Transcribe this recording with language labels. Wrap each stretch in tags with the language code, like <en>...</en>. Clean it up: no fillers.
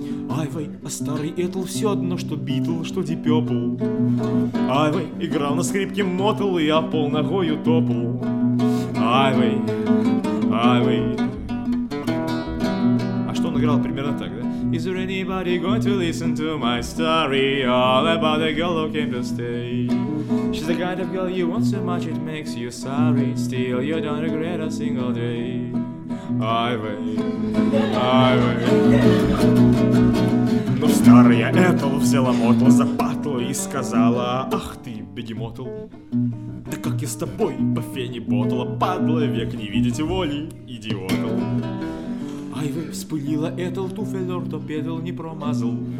<ru>Айвой, а старый Этл все одно, что Битл, что Дипепл. Айвой, играл на скрипке Мотл, и я пол ногою топл. Айвой, айвой. А что он играл примерно так, да?</ru> <en>Is there anybody going to listen to my story? All about the girl who came to stay. She's the kind of girl you want so much it makes you sorry. Still you don't regret a single day.</en> <ru>Айвой, айвой. Но старая Этл взяла Мотл за батл и сказала: ах ты, бегемотл, да как я с тобой по фене ботла, падла, век не видеть воли, идиотл. Айвой, вспылила Этл, туфель ортопедал не промазал.</ru>